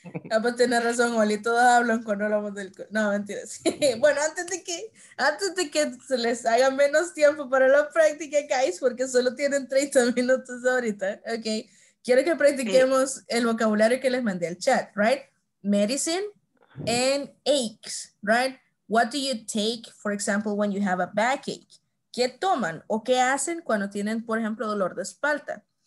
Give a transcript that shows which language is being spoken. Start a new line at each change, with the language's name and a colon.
Spanish: Ah, pues tenés razón, Oli, todos hablan cuando hablamos del... No, mentira. Sí. Bueno, antes de que se les haga menos tiempo para la práctica, guys, porque solo tienen 30 minutos ahorita, ok. Quiero que practiquemos el vocabulario que les mandé al chat, right?
English: Medicine and aches, right? What do you take, for example, when you have a backache?
Spanish: ¿Qué toman o qué hacen cuando tienen, por ejemplo, dolor de espalda?